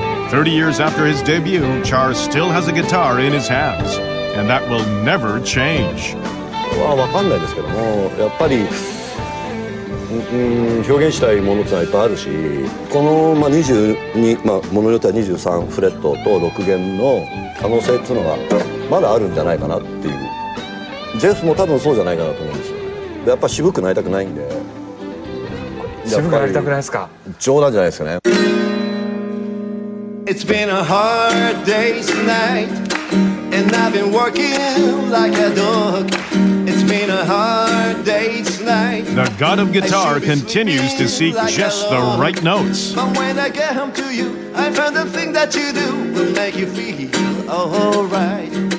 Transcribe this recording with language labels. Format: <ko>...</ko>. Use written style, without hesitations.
<en>30 years after his debut, Char still has a guitar in his hands, and that will never change.</en> <ja>まあ、わかんないですけども、やっぱり、表現したいものっていっぱいあるし、この、まあ、22、まあ、ものによっては23フレットと6弦の可能性っていうのがまだあるんじゃないかなっていう。ジェフも多分そうじゃないかなと思うんですよ。やっぱ渋くなりたくないんで。渋くなりたくないですか。冗談じゃないですかね。</ja> <en>It's been a hard day's night, and I've been working like a dog. It's been a hard day's night. The god of guitar continues to seek just the right notes. But when I get home to you, I found the thing that you do will make you feel alright.</en>